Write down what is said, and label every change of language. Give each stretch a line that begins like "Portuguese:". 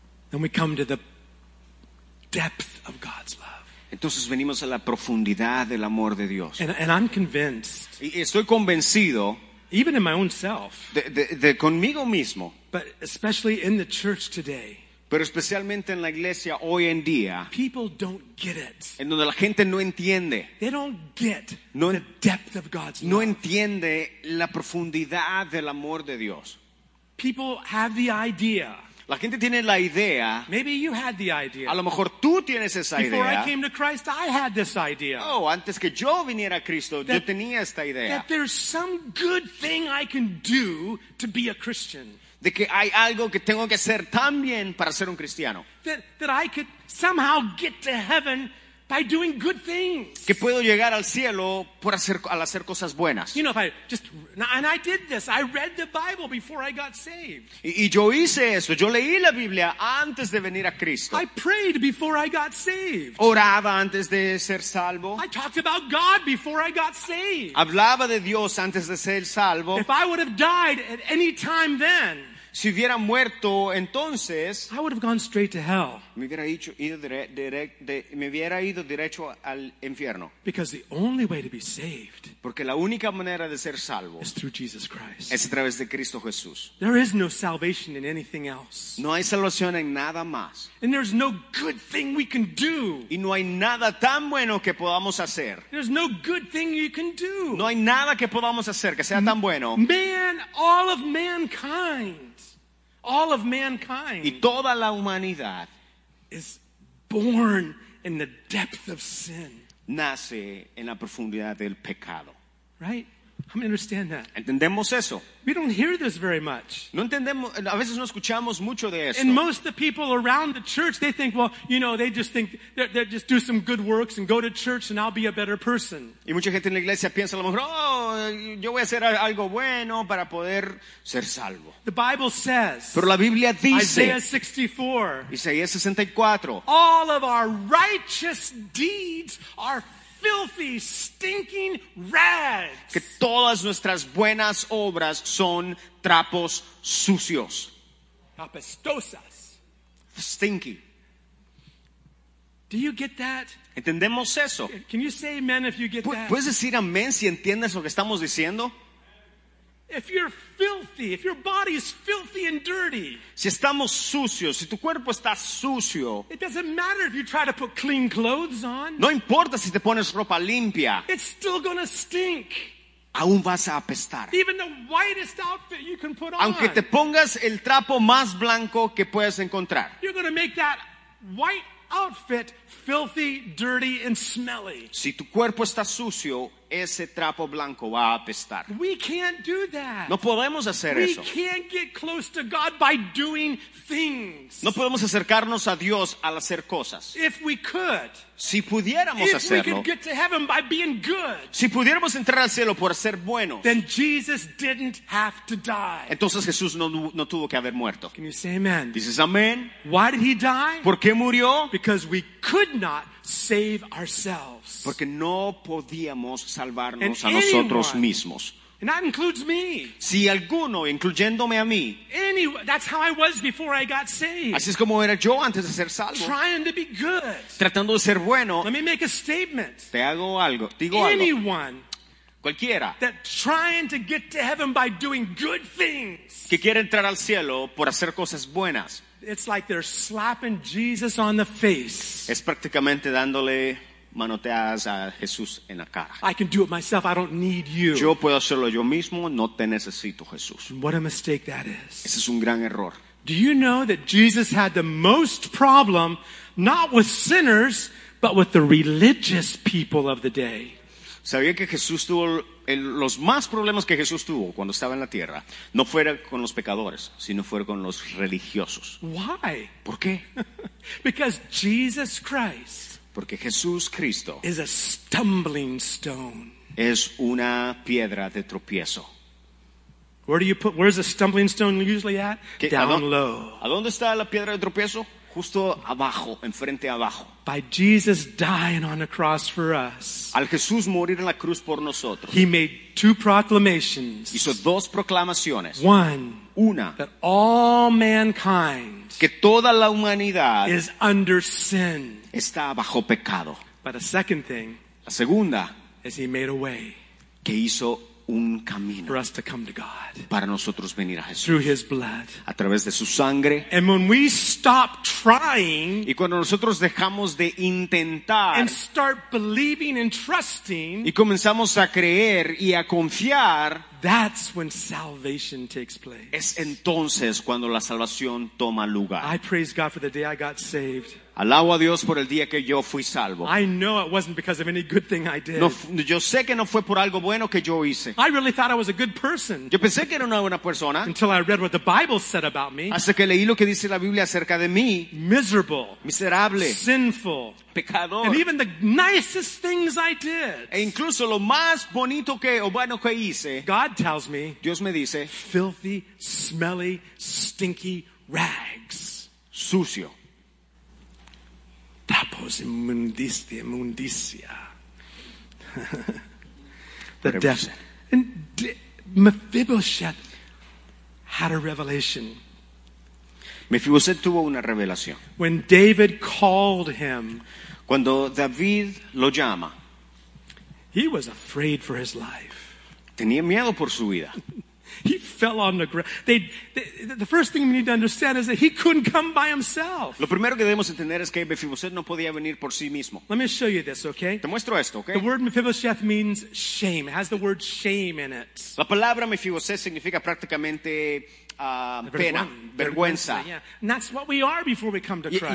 English: Then we come to the depth of God's love.
Spanish: Entonces venimos a la profundidad del amor de Dios.
English: And I'm convinced.
Spanish: Y estoy convencido.
English: Even in my own self.
Spanish: De conmigo mismo.
English: But especially in the church today.
Spanish: Pero especialmente en la iglesia hoy en día.
English: People don't get it.
Spanish: En donde la gente no entiende.
English: They don't get the depth of God's love.
Spanish: No entiende la profundidad del amor de Dios.
English: People have the idea.
Spanish: La gente tiene la idea.
English: Maybe you had the idea.
Spanish: A lo mejor tú tienes esa
English: Before
Spanish: idea.
English: I came to Christ, I had this idea.
Spanish: Oh, antes que yo viniera a Cristo, yo tenía esta idea.
English: That there's some good thing I can do to be a Christian.
Spanish: de que hay algo que tengo que hacer también para ser un cristiano.
English: That I could somehow get to heaven by doing good things.
Spanish: Que puedo llegar al cielo por hacer, al hacer cosas buenas.
English: You know, if I just, and I did this. I read the Bible before I got saved.
Spanish: Y yo hice eso. Yo leí la Biblia antes de venir a Cristo.
English: I prayed before I got saved.
Spanish: Oraba antes de ser salvo.
English: I talked about God before I got saved.
Spanish: Hablaba de Dios antes de ser salvo.
English: If I would have died at any time then,
Spanish: si hubiera muerto entonces,
English: I would have gone straight to hell.
Spanish: Me hubiera ido derecho al infierno.
English: Because the only way to be saved,
Spanish: porque la única manera de ser salvo,
English: is through Jesus Christ.
Spanish: Es a través de Cristo Jesús.
English: There is no salvation in anything else.
Spanish: No hay salvación en nada más.
English: And there's no good thing we can do.
Spanish: Y no hay nada tan bueno que podamos hacer.
English: There's no good thing you can do.
Spanish: No hay nada que podamos hacer que sea tan bueno.
English: Man, all of mankind. All of mankind,
Spanish: y toda la humanidad,
English: is born in the depth of sin.
Spanish: Nace en la profundidad del pecado.
English: Right? I'm gonna understand that.
Spanish: Entendemos eso.
English: We don't hear this very much.
Spanish: No entendemos, a veces no escuchamos mucho de esto.
English: And most of the people around the church, they think, well, you know, they just think they just do some good works and go to church and I'll be a better person.
Spanish: Y mucha gente en la iglesia piensa a lo mejor, oh, yo voy a hacer algo bueno para poder ser salvo.
English: The Bible says.
Spanish: Pero la Biblia dice.
English: Isaiah 64. All of our righteous deeds are filthy, stinking rags.
Spanish: Que todas nuestras buenas obras son trapos sucios. Apestosas.
English: Stinky. Do you get that?
Spanish: ¿Entendemos eso?
English: Can you say amen if you get that?
Spanish: ¿Puedes decir amén si entiendes lo que estamos diciendo?
English: If you're filthy, if your body is filthy and dirty,
Spanish: si estamos sucios, si tu cuerpo está sucio,
English: it doesn't matter if you try to put clean clothes on.
Spanish: No importa si te pones ropa limpia.
English: It's still gonna stink.
Spanish: Aún vas a apestar.
English: Even the whitest outfit you can put on.
Spanish: Aunque te pongas el trapo más blanco que puedas encontrar.
English: You're gonna make that white outfit filthy, dirty, and smelly.
Spanish: Si tu cuerpo está sucio, ese trapo blanco va a apestar.
English: We can't do that.
Spanish: No podemos hacer
English: we
Spanish: eso.
English: We can't get close to God by doing things.
Spanish: No podemos acercarnos a Dios al hacer cosas.
English: If we could.
Spanish: Si pudiéramos
English: if
Spanish: hacerlo.
English: If we could get to heaven by being good.
Spanish: Si pudiéramos entrar al cielo por ser buenos.
English: Then Jesus didn't have to die.
Spanish: Entonces Jesús no tuvo que haber muerto.
English: Can you say amen?
Spanish: Dices amén.
English: Why did he die?
Spanish: ¿Por qué murió?
English: Because we could not save ourselves.
Spanish: Porque no podíamos salvarnos a nosotros mismos.
English: And that includes me.
Spanish: Si alguno, incluyéndome a mí.
English: That's how I was before I got saved.
Spanish: Así es como era yo antes de ser salvo.
English: Trying to be good.
Spanish: Tratando de ser bueno.
English: Let me make a statement.
Spanish: Te hago algo. Digo
English: anyone.
Spanish: Algo. Cualquiera.
English: That trying to get to heaven by doing good things.
Spanish: Que quiere entrar al cielo por hacer cosas buenas.
English: It's like they're slapping Jesus on the face.
Spanish: Es prácticamente dándole manoteas a Jesús en la cara.
English: I can do it myself. I don't need you.
Spanish: Yo puedo hacerlo yo mismo. No te necesito, Jesús.
English: What a mistake that is.
Spanish: Ese es un gran error.
English: Do you know that Jesus had the most problem not with sinners, but with the religious people of the day?
Spanish: ¿Sabía que Jesús tuvo los más problemas que Jesús tuvo cuando estaba en la tierra? No fuera con los pecadores, sino fuera con los religiosos.
English: Why?
Spanish: ¿Por qué?
English: Because Jesus Christ,
Spanish: porque Jesús Cristo,
English: is a stumbling stone.
Spanish: Es una piedra de tropiezo.
English: Where do you put, where's a stumbling stone usually at? Down low.
Spanish: ¿A dónde está la piedra de tropiezo? Justo abajo, enfrente abajo.
English: By Jesus dying on the cross for us.
Spanish: Al Jesús morir en la cruz por nosotros.
English: He made two proclamations.
Spanish: Hizo dos proclamaciones.
English: One.
Spanish: Una.
English: That all mankind.
Spanish: Que toda la humanidad.
English: Is under sin.
Spanish: Está bajo pecado.
English: But a second thing.
Spanish: La segunda.
English: Is he made a way.
Spanish: Que hizo un camino.
English: For us to come to God.
Spanish: Para nosotros venir a Jesús.
English: Through his blood.
Spanish: A través de su sangre.
English: And when we stop trying.
Spanish: Y cuando nosotros dejamos de intentar.
English: And start believing and trusting.
Spanish: Y comenzamos a creer y a confiar.
English: That's when salvation takes place.
Spanish: Es entonces cuando la salvación toma lugar.
English: I praise God for the day I got saved.
Spanish: Alabo a Dios por el día que yo fui salvo.
English: I know it wasn't because of any good thing I did.
Spanish: No, yo sé que no fue por algo bueno que yo hice.
English: I really thought I was a good person.
Spanish: Yo pensé que era una buena persona.
English: Until I read what the Bible said about me.
Spanish: Hasta que leí lo que dice la Biblia acerca de mí.
English: Miserable.
Spanish: Miserable.
English: Sinful.
Spanish: Pecador.
English: And even the nicest things I did.
Spanish: E incluso lo más bonito que o bueno que hice.
English: God tells me.
Spanish: Dios me dice.
English: Filthy, smelly, stinky rags.
Spanish: Sucio. Tapos immundicia, immundicia.
English: The death. And Mephibosheth had a revelation.
Spanish: Mephibosheth tuvo una revelación.
English: When David called him,
Spanish: cuando David lo llama,
English: he was afraid for his life.
Spanish: Tenía miedo por su vida.
English: He fell on the ground. The first thing we need to understand is that he couldn't come by himself.
Spanish: Lo primero que debemos entender es que Mephibosheth no podía venir por sí mismo.
English: Let me show you this, okay?
Spanish: Te muestro esto, okay?
English: The word Mephibosheth means shame. It has the word shame in it.
Spanish: La palabra Mephibosheth significa prácticamente pena, vergüenza.
English: Yeah. And that's what we are before we come to Christ.